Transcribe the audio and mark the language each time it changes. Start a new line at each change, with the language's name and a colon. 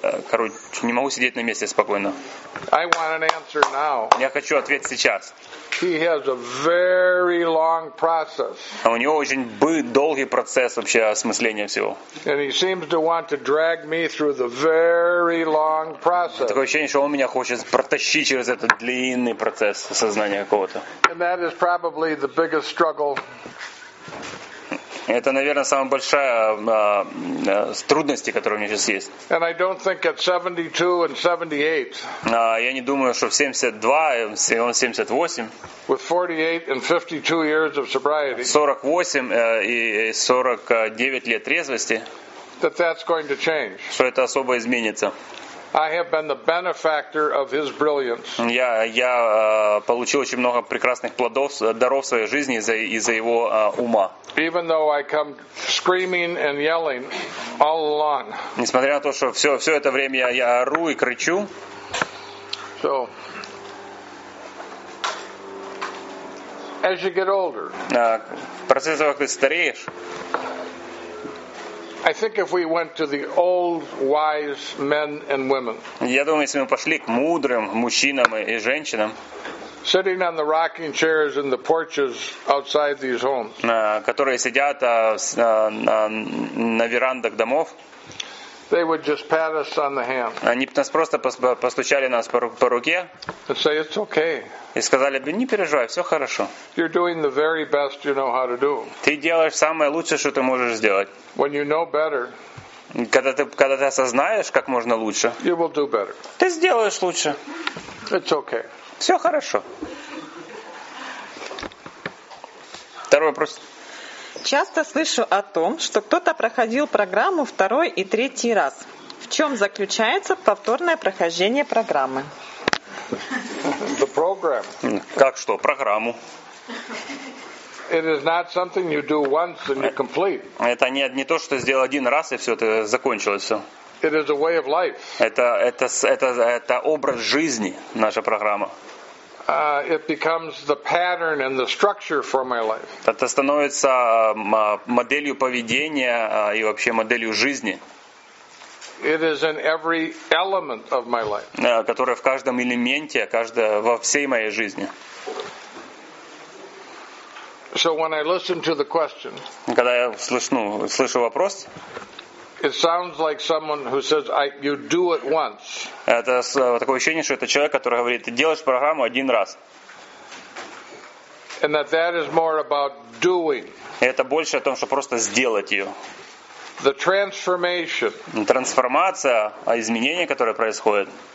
Russian: Короче, не могу сидеть на месте спокойно.
English: I want an answer now.
Russian: Я хочу ответ сейчас.
English: He has a very long process.
Russian: А у него очень долгий процесс вообще осмысления всего.
English: And he seems to want to drag me through the very long process.
Russian: Такое ощущение, что он меня хочет протащить через этот длинный процесс осознания какого-то.
English: And that is probably the biggest struggle.
Russian: Это, наверное, самая большая трудность, которая у меня сейчас есть.
English: And I don't think at 72 and 78,
Russian: я не думаю, что в 72, он 78,
English: with 48 and 52 years of sobriety,
Russian: 48 и 49 лет трезвости,
English: that that's going to change.
Russian: Что это особо изменится.
English: I have been the benefactor of his brilliance.
Russian: Я получил очень много прекрасных плодов, даров своей жизни из-за его ума.
English: Even though I come screaming and yelling all along.
Russian: Несмотря на то, что все это время я ору и кричу.
English: So, as you get older.
Russian: В процессе, как ты стареешь.
English: I think if we went to the old wise men and women.
Russian: Я думаю, если мы пошли к мудрым мужчинам и женщинам.
English: Sitting on the rocking chairs in the porches outside these homes.
Russian: Которые сидят на верандах домов.
English: They would just pat us on the hand.
Russian: Они бы нас просто постучали нас по руке.
English: And say it's okay.
Russian: И сказали бы: не переживай, все хорошо.
English: You're doing the very best you know how to do.
Russian: Ты делаешь самое лучшее, что ты можешь сделать.
English: When you know better.
Russian: Когда ты осознаешь, как можно лучше.
English: You will do better.
Russian: Ты сделаешь лучше.
English: It's okay.
Russian: Все хорошо. Второй вопрос. Часто слышу о том, что кто-то проходил программу второй и третий раз. В чем заключается повторное прохождение программы?
English: The program.
Russian: Как что? Программу.
English: It is not something you do once and you complete.
Russian: Это не то, что сделал один раз и все, это закончилось все.
English: It is a way of life.
Russian: Это образ жизни, наша программа.
English: It becomes the pattern and the structure for my life.
Russian: Это становится моделью поведения и вообще моделью жизни.
English: It is in every element of my life.
Russian: Которая в каждом элементе, во всей моей жизни.
English: So when I listen to the question,
Russian: когда я слышу вопрос.
English: It sounds like someone who says, "You do it once."
Russian: Это такое ощущение, что это человек, который говорит: ты делаешь программу один раз.
English: And that is more about doing.
Russian: Это больше о том, что просто сделать ее.
English: The transformation.
Russian: Трансформация, а изменение, которое происходит.